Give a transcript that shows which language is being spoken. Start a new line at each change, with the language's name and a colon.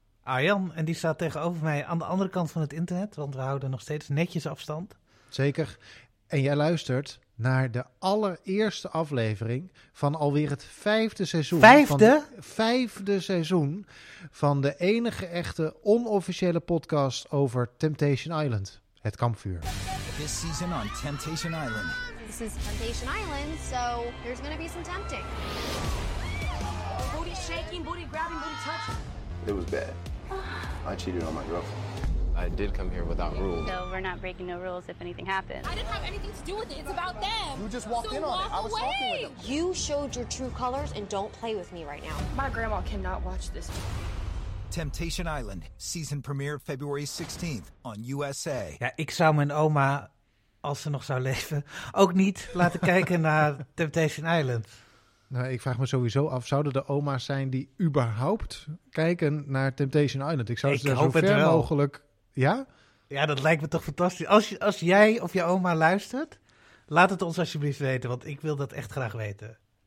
Dutch: Arjan, en die staat tegenover mij aan de andere kant van het internet, want we houden nog steeds netjes afstand. Zeker. En jij luistert naar de allereerste aflevering van alweer het vijfde seizoen. Van Vijfde? vijfde seizoen van de enige echte onofficiële podcast over Temptation Island, het kampvuur.
English: This season on Temptation Island. This is Temptation Island, so there's gonna be some tempting. Booty shaking, booty grabbing, booty touching. It was bad. I cheated on my girlfriend. I did come here without rules. So we're not breaking no rules if anything happens. I didn't have anything to do with it. It's about them. You just walked in on it. I was talking with them. You showed your true colors and don't play with me right now. My grandma cannot watch this. Temptation Island, season premiere February 16th on USA.
Dutch: Ja, ik zou mijn oma, als ze nog zou leven, ook niet laten kijken naar Temptation Island. Nou, ik vraag me sowieso af, zouden er oma's zijn die überhaupt kijken naar Temptation Island? Ik zou ze ik zo hoop het ver wel. Mogelijk. Ja? Ja, dat lijkt me toch fantastisch. Als jij of je oma luistert, laat het ons alsjeblieft weten, want ik wil dat echt graag weten.